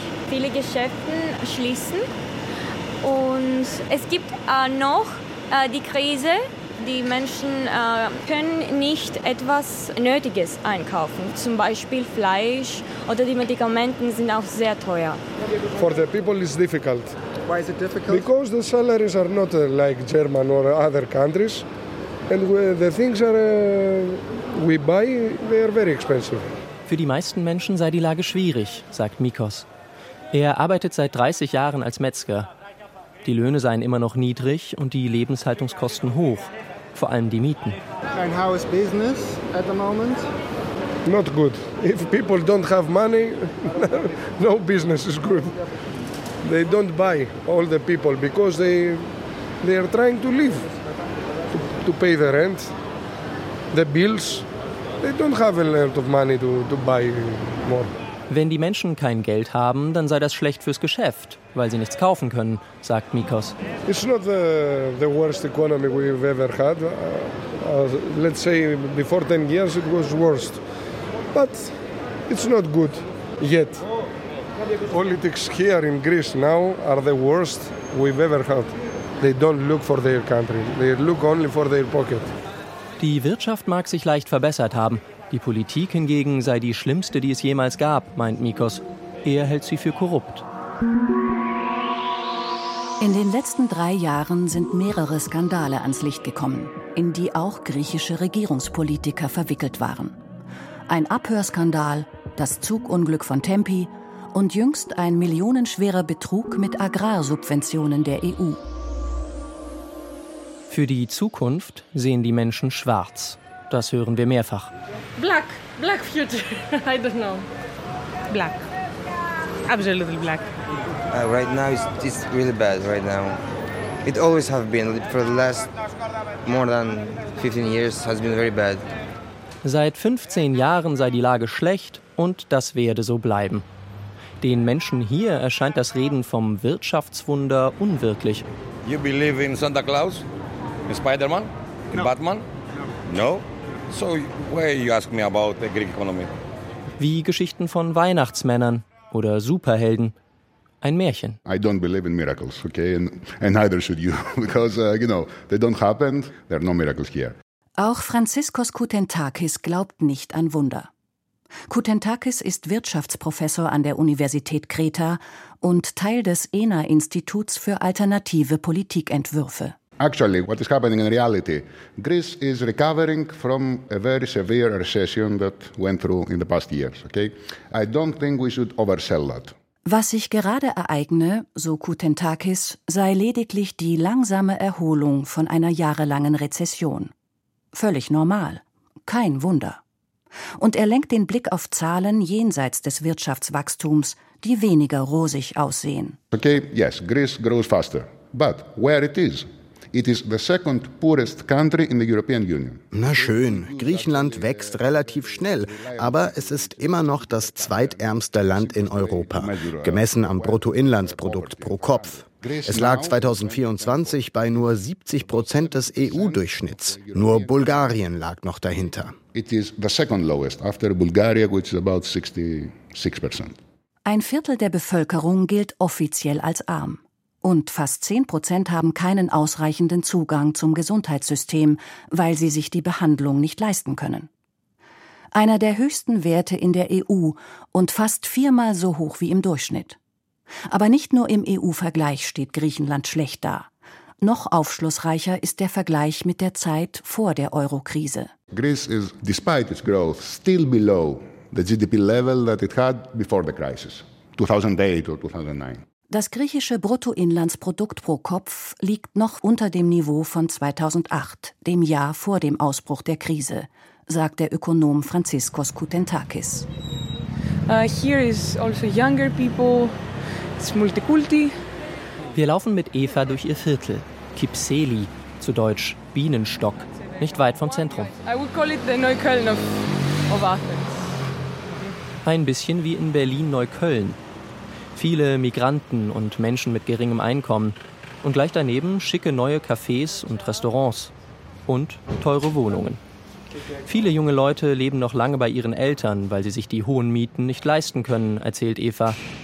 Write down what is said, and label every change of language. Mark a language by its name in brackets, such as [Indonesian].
[German] Viele Geschäfte schließen und es gibt noch die Krise. Die Menschen können nicht etwas Nötiges einkaufen, zum Beispiel Fleisch oder die Medikamente sind auch sehr teuer. [English] For the people it's difficult. Why is it difficult? Because the salaries are not like German or other countries and the things are we buy they are very expensive. [German] Für die meisten Menschen sei die Lage schwierig, sagt Mikos. Er arbeitet seit 30 Jahren als Metzger. Die Löhne seien immer noch niedrig und die Lebenshaltungskosten hoch, vor allem die Mieten. [English] And how is business at the moment? Not good. If people don't have money, no business is good. They don't buy all the people because they are trying to live, to pay the rent, the bills. They don't have a lot of money to buy more. [German] Wenn die Menschen kein Geld haben, dann sei das schlecht fürs Geschäft, weil sie nichts kaufen können, sagt Mikos. [English] It's not the worst economy we've ever had. Let's say before 10 years it was worst. But it's not good yet. Politics here in Greece now are the worst we've ever had. They don't look for their country. They look only for their pocket. [German] Die Wirtschaft mag sich leicht verbessert haben. Die Politik hingegen sei die schlimmste, die es jemals gab, meint Mikos. Er hält sie für korrupt. In den letzten 3 Jahren sind mehrere Skandale ans Licht gekommen, in die auch griechische Regierungspolitiker verwickelt waren. Ein Abhörskandal, das Zugunglück von Tempi und jüngst ein millionenschwerer Betrug mit Agrarsubventionen der EU. Für die Zukunft sehen die Menschen schwarz. Das hören wir mehrfach. [English] Black. Black future. I don't know. Black. Absolutely black. Right now, it's really bad right now. It always have been. For the last more than 15 years has been very bad. [German] Seit 15 Jahren sei die Lage schlecht und das werde so bleiben. Den Menschen hier erscheint das Reden vom Wirtschaftswunder unwirklich. [English] You believe in Santa Claus? In Spider-Man? In no. Batman? No. So why you ask me about the Greek economy? [German] Wie Geschichten von Weihnachtsmännern oder Superhelden. Ein Märchen. [English] I don't believe in miracles, okay? And neither should you, because, you know, they don't happen. There are no miracles here. [German] Auch Franziskos Koutentakis glaubt nicht an Wunder. Koutentakis ist Wirtschaftsprofessor an der Universität Kreta und Teil des ENA-Instituts für alternative Politikentwürfe. [English] Actually, what is happening in reality? Greece is recovering from a very severe recession that went through in the past years, okay? I don't think we should oversell that. [German] Was sich gerade ereigne, so Koutentakis, sei lediglich die langsame Erholung von einer jahrelangen Rezession. Völlig normal. Kein Wunder. Und er lenkt den Blick auf Zahlen jenseits des Wirtschaftswachstums, die weniger rosig aussehen. [English] Okay, yes, Greece grows faster. But where it is? It is the second poorest country in the European Union. [German] Na schön, Griechenland wächst relativ schnell, aber es ist immer noch das zweitärmste Land in Europa, gemessen am Bruttoinlandsprodukt pro Kopf. Es lag 2024 bei nur 70% des EU-Durchschnitts. Nur Bulgarien lag noch dahinter. [English] It is the second lowest after Bulgaria, which is about 66%. [German] Ein Viertel der Bevölkerung gilt offiziell als arm. Und fast 10% haben keinen ausreichenden Zugang zum Gesundheitssystem, weil sie sich die Behandlung nicht leisten können. Einer der höchsten Werte in der EU und fast viermal so hoch wie im Durchschnitt. Aber nicht nur im EU-Vergleich steht Griechenland schlecht da. Noch aufschlussreicher ist der Vergleich mit der Zeit vor der Euro-Krise. [English] Greece is, despite its growth, still below the GDP level that it had before the crisis, 2008 or 2009. [German] Das griechische Bruttoinlandsprodukt pro Kopf liegt noch unter dem Niveau von 2008, dem Jahr vor dem Ausbruch der Krise, sagt der Ökonom Franziskos Koutentakis. [English] Here is also younger people. It's multikulti. [German] Wir laufen mit Eva durch ihr Viertel, Kipseli, zu Deutsch Bienenstock, nicht weit vom Zentrum. [English] I would call it the Neukölln of Athens. [German] Ein bisschen wie in Berlin-Neukölln. Viele Migranten und Menschen mit geringem Einkommen. Und gleich daneben schicke neue Cafés und Restaurants. Und teure Wohnungen. Viele junge Leute leben noch lange bei ihren Eltern, weil sie sich die hohen Mieten nicht leisten können, erzählt Eva.